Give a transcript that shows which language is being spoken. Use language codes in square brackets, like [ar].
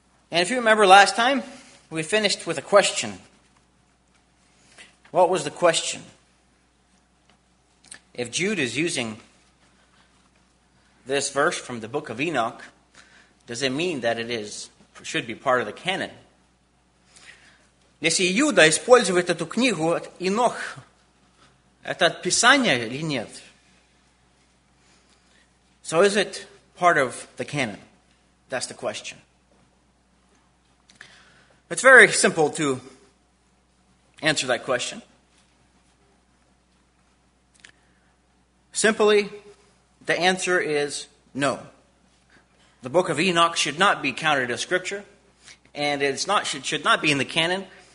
[en] And if you remember last time, we finished with a question. What was the question? If Jude is using this verse from the book of Enoch, does it mean that it is should be part of the canon? [ru] Если Иуда использует эту книгу от Енох, это от Писания или нет? [en] So is it part of the canon? That's the question. It's very simple to answer that question. Simply, the answer is no. The book of Enoch should not be counted as scripture, and it's not should not be in the canon.